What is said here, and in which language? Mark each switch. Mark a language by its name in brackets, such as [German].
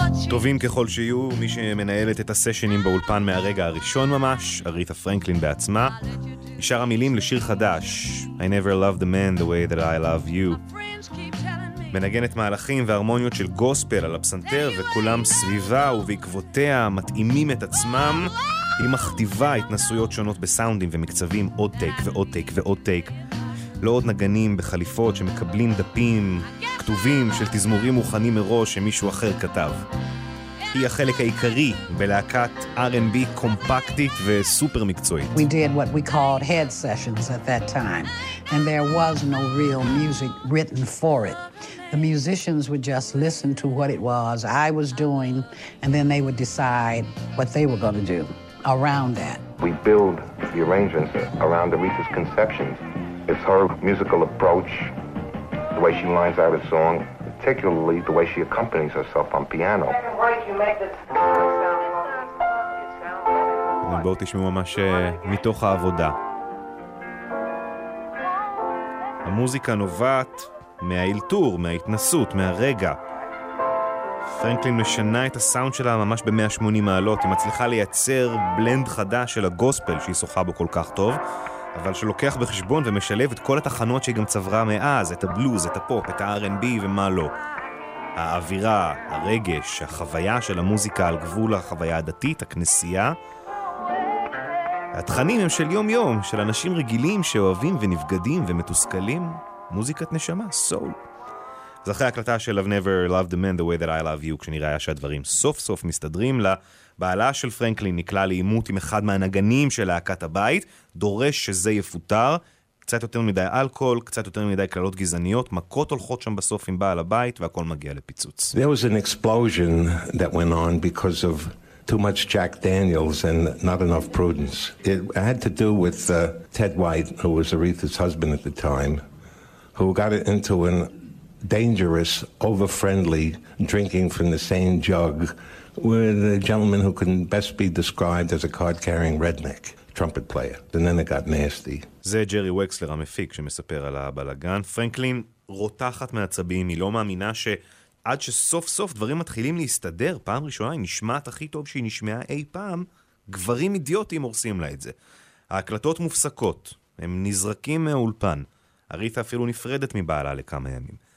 [Hebrew] טובים ככל שיהיו, מי שמנהלת את הסשנים באולפן מהרגע הראשון ממש, אריתה פרנקלין בעצמה. נשאר המילים לשיר חדש, [English] I never loved a man the way that I love you. [Hebrew] מנגנת מהלכים והרמוניות של גוספל על הפסנתר, וכולם סביבה ובעקבותיה מתאימים את עצמם. היא מכתיבה התנסויות שונות בסאונדים ומקצבים, עוד טייק ועוד טייק ועוד טייק. לא עוד נגנים בחליפות שמקבלים דפים כתובים של תזמורים מוכנים מראש שמישהו אחר כתב. היא החלק העיקרי בלהקת R&B קומפקטית וסופר מקצועית. [English] We did what we called head sessions at that time, and there was no real music written for it. The musicians would just listen to what it was I was doing, and then they would decide what they were going to do around that. We build the arrangements around Aretha's conceptions. It's her musical approach, the way she lines out a song, particularly the way she accompanies herself on piano. [Hebrew] אז בואו תשמעו ממש מתוך העבודה. המוזיקה נובעת מהאילתור, מההתנסות, מהרגע. פרנקלין משנה את הסאונד שלה ממש ב-180 מעלות. היא מצליחה לייצר בלנד חדש של הגוספל שהיא שוחה בו כל כך טוב, אבל שלוקח בחשבון ומשלב את כל התחנות שהיא גם צברה מאז, את הבלוז, את הפופ, את ה-R&B ומה לא. האווירה, הרגש, החוויה של המוזיקה על גבול החוויה הדתית, הכנסייה. התכנים הם של יום-יום, של אנשים רגילים שאוהבים ונבגדים ומתוסכלים. מוזיקת נשמה, סול. אז אחרי הקלטה של [English] I've never loved a man the way that I love you, [Hebrew] כשנראה שהדברים סוף סוף מסתדרים לה, בעלה של פרנקלין נקלע לאימות עם אחד מהנגנים של להקת הבית, דורש שזה יפותר, קצת יותר מדי אלכוהול, קצת יותר מדי קללות גזעניות, מכות הולכות שם בסוף עם בעל הבית, והכל מגיע לפיצוץ. [English] There was an explosion that went on because of too much Jack Daniels and not enough prudence. It had to do with Ted White, who was Aretha's husband at the time, who got it into an dangerous, over-friendly drinking from the same jug with a gentleman who can best be described as a card-carrying redneck trumpet player. And then it got nasty. [Hebrew] זה ג'רי וקסלר המפיק שמספר על הבלגן. פרנקלין רותחת מעצבים, היא לא מאמינה שעד שסוף סוף דברים מתחילים להסתדר, פעם ראשונה היא נשמעת הכי טוב שהיא נשמעה אי פעם, גברים אידיוטים הורסים לה את זה. ההקלטות מופסקות, הם נזרקים מהאולפן. אריתה אפילו נפרדת מבעלה לכמה ימים.